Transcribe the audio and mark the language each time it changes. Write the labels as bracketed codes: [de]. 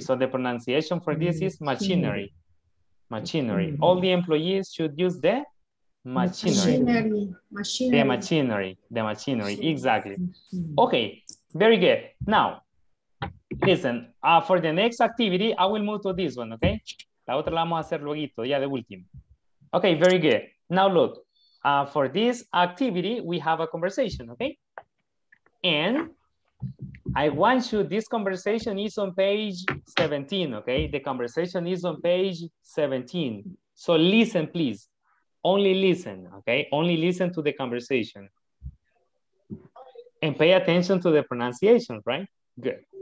[en] So, the pronunciation for this is machinery. All the employees should use the machinery. Exactly. Okay, very good. Now, listen, for the next activity, I will move to this one, okay? [es] La otra la vamos a hacer luego, ya de último. [en] Okay, very good. Now, look. For this activity, we have a conversation, okay? And I want you, this conversation is on page 17, okay? The conversation is on page 17. So listen, please. Only listen, okay? Only listen to the conversation. And pay attention to the pronunciation, right? Good.